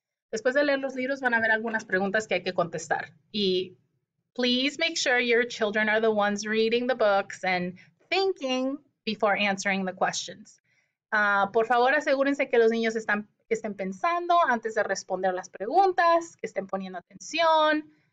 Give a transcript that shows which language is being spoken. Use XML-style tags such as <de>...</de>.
<es>Después de leer los libros, van a haber algunas preguntas que hay que contestar.</es> <en>Y please make sure your children are the ones reading the books and thinking before answering the questions.</en> <es>Por favor, asegúrense que los niños que estén pensando antes de responder las preguntas, que estén poniendo atención.</es>